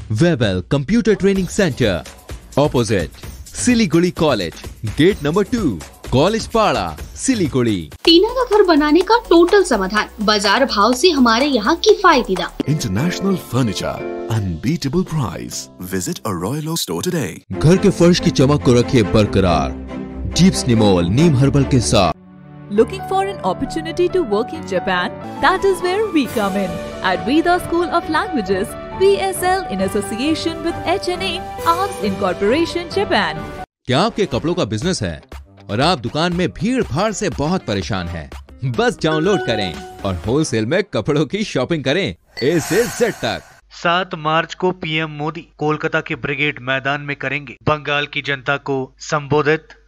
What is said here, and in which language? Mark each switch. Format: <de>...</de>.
<en>Webel computer training centre opposite Siliguri college gate number 2 college Para Siliguri.</en> <hi>टीना का घर बनाने का टोटल समाधान बाजार भाव से हमारे यहाँ किफायती दाम।</hi> <en>International furniture unbeatable price, visit a Royal Oak store today.</en> <hi>घर के फर्श की चमक को रखिए बरकरार जीप्स निमोल नीम हर्बल के साथ।</hi> <en>Looking for an opportunity to work in Japan? That is where we come in. At Veda School of Languages, VSL in association with HNA Arms Incorporation Japan.</en> <hi>क्या आपके कपड़ों का बिजनेस है और आप दुकान में भीड़ भाड़ से बहुत परेशान हैं? बस डाउनलोड करें और होलसेल में कपड़ों की शॉपिंग करें A से Z तक। 7 मार्च को पीएम मोदी कोलकाता के ब्रिगेड मैदान में करेंगे बंगाल की जनता को संबोधित।</hi>